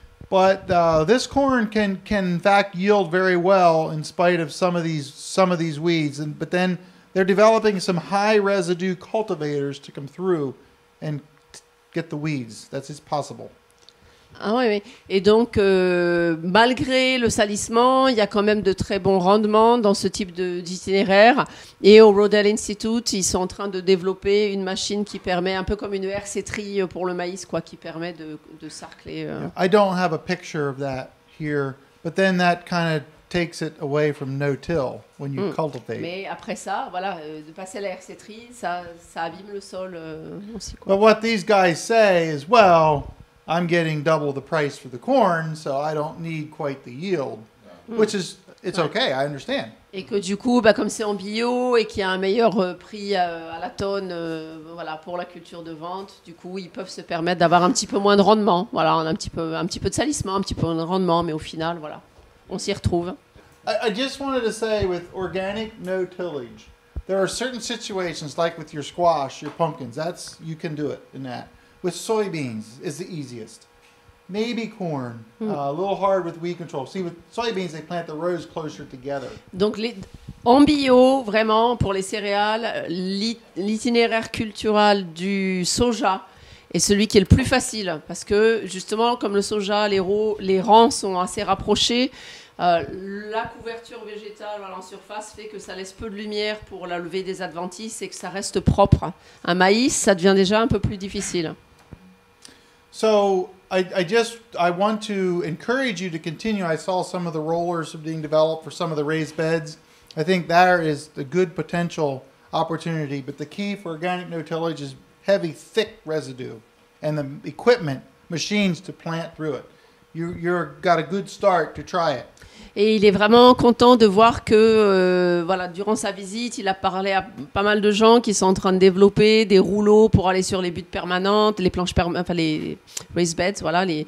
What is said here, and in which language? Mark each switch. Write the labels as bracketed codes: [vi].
[en] But this corn can in fact yield very well in spite of some of these weeds. And but then they're developing some high residue cultivators to come through and get the weeds. That's possible. [fr] Ah oui, oui. Et donc malgré le salissement, il y a quand même de très bons rendements dans ce type d'itinéraire. Et au Rodale Institute, ils sont en train de développer une machine qui permet, un peu comme une hercétrie pour le maïs, quoi, qui permet de sarcler. [en] I don't have a picture of that here, but then that kind of takes it away from no-till when you cultivate. [fr] Mais après ça, voilà, de passer à la hercétrie, ça abîme le sol aussi, quoi. [en] But what these guys say is, well, I'm getting double the price for the corn, so I don't need quite the yield, which is, it's okay, I understand. [fr] Et que du coup, bah, comme c'est en bio et qu'il y a un meilleur prix à la tonne voilà, pour la culture de vente, du coup, ils peuvent se permettre d'avoir un petit peu moins de rendement. Voilà, on a un petit peu de salissement, un petit peu moins de rendement, mais au final, voilà, on s'y retrouve. [en] I just wanted to say, with organic no-tillage, there are certain situations, like with your squash, your pumpkins, that's, you can do it in that. With soybeans is the easiest. Maybe corn, a little hard with weed control. See, with soybeans, they plant the rows closer together. [fr] Donc, en bio, vraiment, pour les céréales, l'itinéraire cultural du soja est celui qui est le plus facile. Parce que, justement, comme le soja, les rangs sont assez rapprochés, la couverture végétale voilà, en surface fait que ça laisse peu de lumière pour la levée des adventices et que ça reste propre. Un maïs, ça devient déjà un peu plus difficile. [en] So, I want to encourage you to continue. I saw some of the rollers being developed for some of the raised beds. I think there is a good potential opportunity, but the key for organic no-tillage is heavy, thick residue and the equipment, machines to plant through it. You've got a good start to try it. [fr] Et il est vraiment content de voir que, voilà, durant sa visite, il a parlé à pas mal de gens qui sont en train de développer des rouleaux pour aller sur les buttes permanentes, les planches les raised beds, voilà.